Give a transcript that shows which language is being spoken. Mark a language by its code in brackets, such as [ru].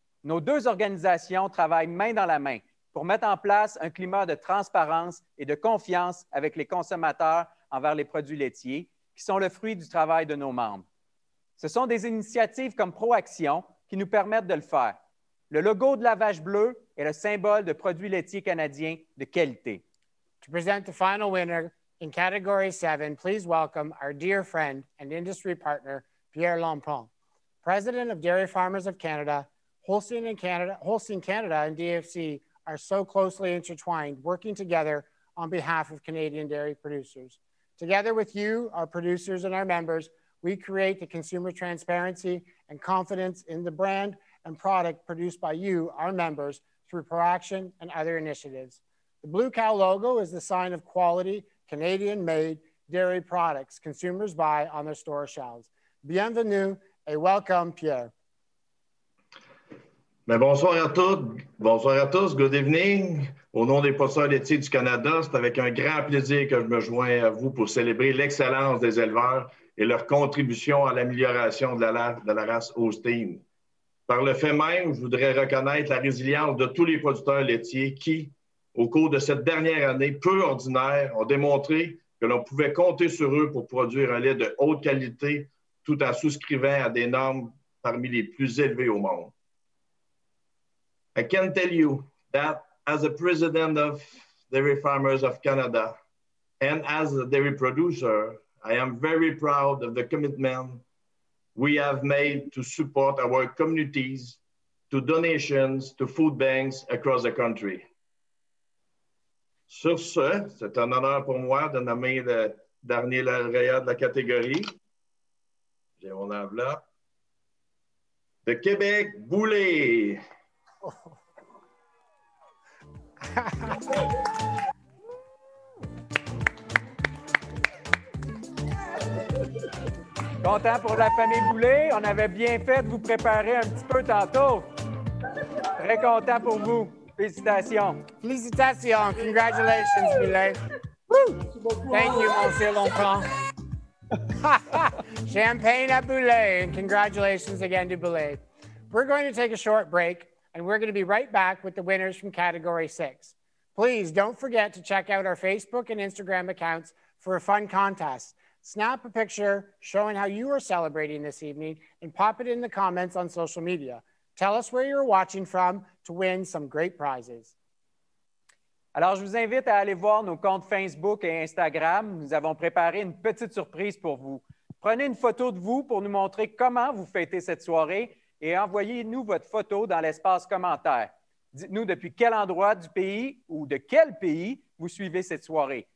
[fr] Nos deux organisations travaillent main dans la main pour mettre en place un climat de transparence et de confiance avec les consommateurs envers les produits laitiers, qui sont le fruit du travail de nos membres. Ce sont des initiatives comme ProAction qui nous permettent de le faire. Le logo de la vache bleue est le symbole de produits laitiers canadiens de qualité. [en] To present the final winner in Category 7, please welcome our dear friend and industry partner, Pierre Lampron, President of Dairy Farmers of Canada. Holstein Canada and DFC are so closely intertwined, working together on behalf of Canadian dairy producers. Together with you, our producers and our members, we create the consumer transparency and confidence in the brand and product produced by you, our members, through ProAction and other initiatives. The Blue Cow logo is the sign of quality Canadian-made dairy products consumers buy on their store shelves. [fr] Bienvenue et [en] welcome, [fr] Pierre. Mais bonsoir à toutes, bonsoir à tous, [en] good evening. [fr] Au nom des producteurs laitiers du Canada, c'est avec un grand plaisir que je me joins à vous pour célébrer l'excellence des éleveurs et leur contribution à l'amélioration de la race Holstein. Par le fait même, je voudrais reconnaître la résilience de tous les producteurs laitiers qui, au cours de cette dernière année peu ordinaire, ont démontré que l'on pouvait compter sur eux pour produire un lait de haute qualité tout en souscrivant à des normes parmi les plus élevées au monde. [en] I can tell you that as a president of Dairy Farmers of Canada and as a dairy producer, I am very proud of the commitment we have made to support our communities, to donations, to food banks across the country. [fr] Sur ce, c'est un honneur pour moi de nommer le dernier lauréat de la catégorie. J'ai mon enveloppe. De Québec, Boulay. Content pour la famille Boulay. On avait bien fait de vous préparer un petit peu tantôt. Très content pour vous. Félicitations. Félicitations. [en] Congratulations, Boulay. Thank you, Monsieur Lampron. [fr] Champagne à Boulay. [en] And congratulations again to Boulay. We're going to take a short break. And we're going to be right back with the winners from Category 6. Please don't forget to check out our Facebook and Instagram accounts for a fun contest. Snap a picture showing how you are celebrating this evening and pop it in the comments on social media. Tell us where you're watching from to win some great prizes. [fr] Alors, je vous invite à aller voir nos comptes Facebook et Instagram. Nous avons préparé une petite surprise pour vous. Prenez une photo de vous pour nous montrer comment vous fêtez cette soirée. Et envoyez-nous votre photo dans l'espace commentaire. Dites-nous depuis quel endroit du pays ou de quel pays vous suivez cette soirée.